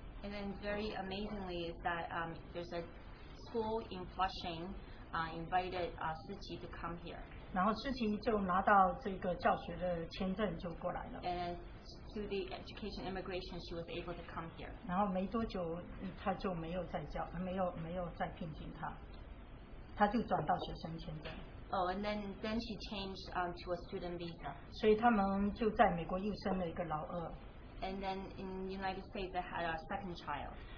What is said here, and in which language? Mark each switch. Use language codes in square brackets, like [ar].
[en] And then very amazingly is that there's a school in Flushing invited Suqi to come here. [zh] 然后思琪就拿到这个教学的签证就过来了。 [en] And through the education immigration, she was able to come here. [zh] 然后没多久，他就没有再聘请他。他就转到学生签证。 [en] Oh, and then she changed to a student visa. [zh] 所以他们就在美国又生了一个老二。 [en] And then in the United States, they had a second child.